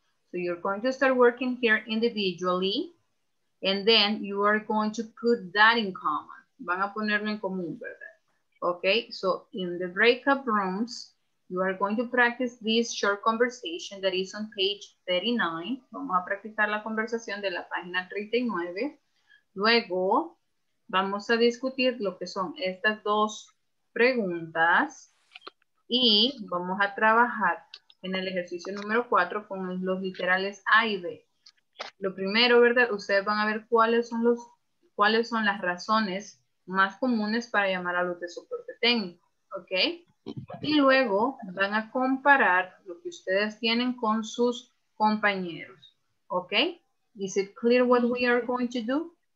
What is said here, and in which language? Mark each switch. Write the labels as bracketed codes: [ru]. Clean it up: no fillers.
[en] So you're going to start working here individually and then you are going to put that in common. [es] Van a ponerlo en común, ¿verdad? [en] Okay, so in the breakout rooms, you are going to practice this short conversation that is on page 39. [es] Vamos a practicar la conversación de la página 39. Luego, vamos a discutir lo que son estas 2 preguntas y vamos a trabajar en el ejercicio número 4 con los literales A y B. Lo primero, ¿verdad? Ustedes van a ver cuáles son las razones más comunes para llamar a los de soporte técnico, ¿ok? Y luego van a comparar lo que ustedes tienen con sus compañeros, ¿ok? [en] Is it clear what we are going to do?